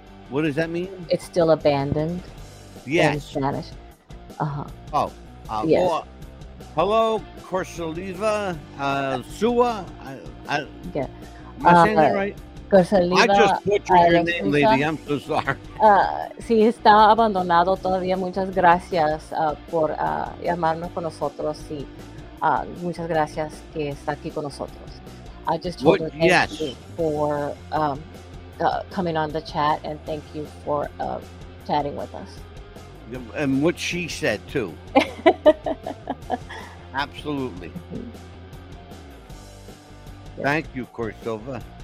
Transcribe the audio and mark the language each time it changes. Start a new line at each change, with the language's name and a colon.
English: What does that mean? It's still abandoned. Yes. In Spanish. Yes. Hello, Corsoliva, Sua. Am I saying that right? Corsoliva, I just butchered your name, lady. I'm so sorry.
Spanish: Sí, está abandonado todavía. Muchas gracias por llamarnos con nosotros. Sí. Muchas gracias que está aquí con nosotros.
English: I just told her thank you for coming on the chat and thank you for chatting with us. And what she said, too. Absolutely. Yes. Thank you, Corsova.